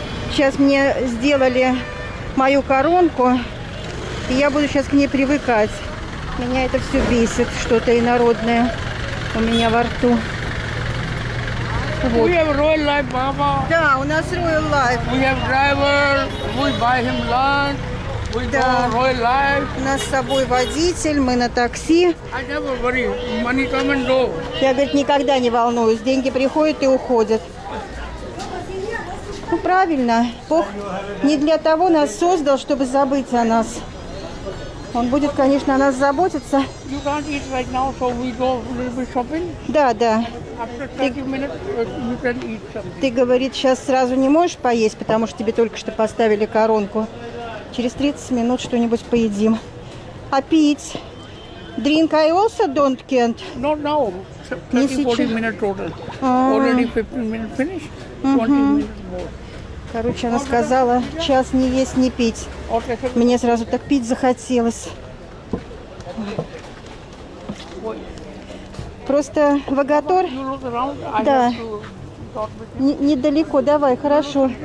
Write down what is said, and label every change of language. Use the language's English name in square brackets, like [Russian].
[Russian] Сейчас мне сделали мою коронку, и я буду сейчас к ней привыкать. Меня это все бесит, что-то инородное у меня во рту. [English] Вот. We have Royal Life, Mama. [Russian] Да, у нас Royal Life. [English] We have driver, we buy him lunch, we [Russian] да. [English] go Royal Life. [Russian] У нас с собой водитель, мы на такси. [English] I never worry, money come and go. [Russian] Я, говорит, никогда не волнуюсь, деньги приходят и уходят. Ну, правильно, Бог не для того нас создал, чтобы забыть о нас. Он будет, конечно, о нас заботиться. [English] You can't eat right now, so we go a little bit shopping. [Russian] Да, да. [English] After 30 minutes, you can eat something. [Russian] Ты, говорит, сейчас сразу не можешь поесть, потому что тебе только что поставили коронку. Через 30 минут что-нибудь поедим. А пить? [English] Drink I also don't can't? Not now. 30-40 minutes total. Already 15 minutes finished. 20 minutes more. [Russian] Короче, она сказала, час не есть, не пить. Мне сразу так пить захотелось. Просто Вагатор, да, недалеко, давай, хорошо.